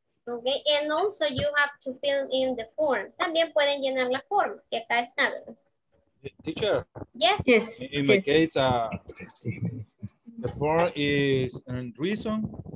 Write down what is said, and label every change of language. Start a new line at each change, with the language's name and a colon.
English: Okay, and also you have to fill in the form.
Spanish: También pueden llenar la forma, que acá está, ¿verdad?
English: Teacher. Yes. Yes. In my case, the form is a reason.